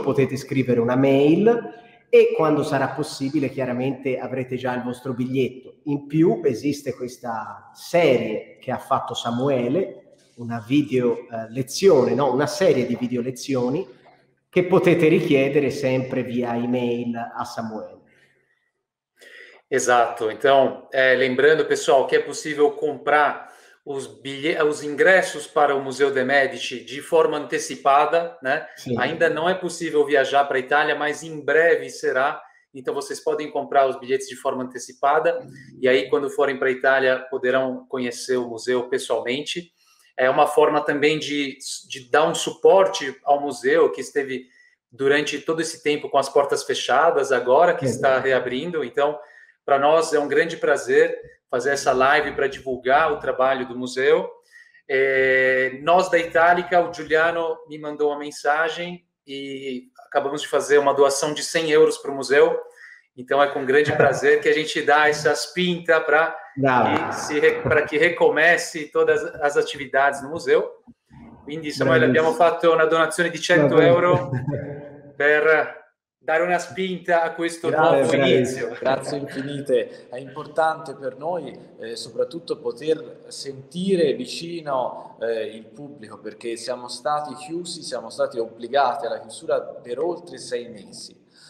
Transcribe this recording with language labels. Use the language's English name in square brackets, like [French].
[Italian] Potete scrivere una mail e quando sarà possibile chiaramente avrete già il vostro biglietto. In più esiste questa serie che ha fatto Samuele, una video lezione, no, una serie di video lezioni che potete richiedere sempre via email a Samuele. [Portuguese] Exato. Então, lembrando, pessoal, que é possível comprar os ingressos para o Museu de Medici de forma antecipada, né? Sim. Ainda não é possível viajar para a Itália, mas em breve será. Então, vocês podem comprar os bilhetes de forma antecipada. E aí, quando forem para a Itália, poderão conhecer o museu pessoalmente. é uma forma também de dar um suporte ao museu que esteve durante todo esse tempo com as portas fechadas, agora que está reabrindo. Então, para nós é um grande prazer fazer essa live para divulgar o trabalho do museu. É, nós da Itálica, o Giuliano me mandou uma mensagem e acabamos de fazer uma doação de 100 euros para o museu. Então, é com grande prazer que a gente dá essas pintas para que recomece todas as atividades no museu. [Italian] Quindi, Samuele, abbiamo fatto una donazione di 100 euro per dare una spinta a questo nuovo inizio. Grazie infinite. È importante per noi soprattutto poter sentire vicino il pubblico, perché siamo stati chiusi, siamo stati obbligati alla chiusura per oltre 6 mesi.